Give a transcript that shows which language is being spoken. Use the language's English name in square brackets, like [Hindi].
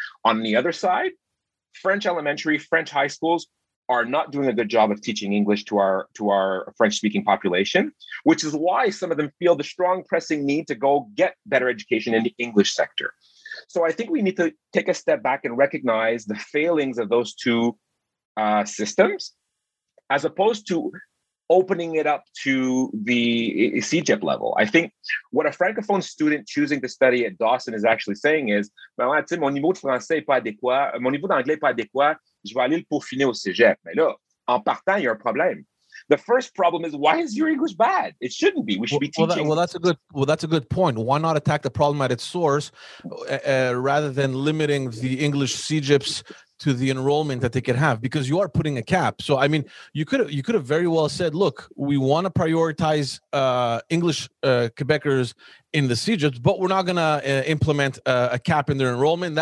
[English] On the other side, French elementary, French high schools are not doing a good job of teaching English to our French-speaking population, which is why some of them feel the strong pressing need to go get better education in the English sector. So I think we need to take a step back and recognize the failings of those two systems, as opposed to opening it up to the CEGEP level. I think what a Francophone student choosing to study at Dawson is actually saying is, [French] mon niveau de français est pas adéquat, mon niveau d'anglais est pas adéquat, je vais aller le peaufiner au CEGEP. Mais là, en partant, il y a un problème. [English] The first problem is, why is your English bad? It shouldn't be. We should be teaching. Well, that's a good point. Why not attack the problem at its source rather than limiting the English CEGEPs to the enrollment that they could have, because you are putting a cap. So, I mean, you could have very well said, look, we want to prioritize English Quebecers in the CEGEP, but we're not going to implement a cap in their enrollment.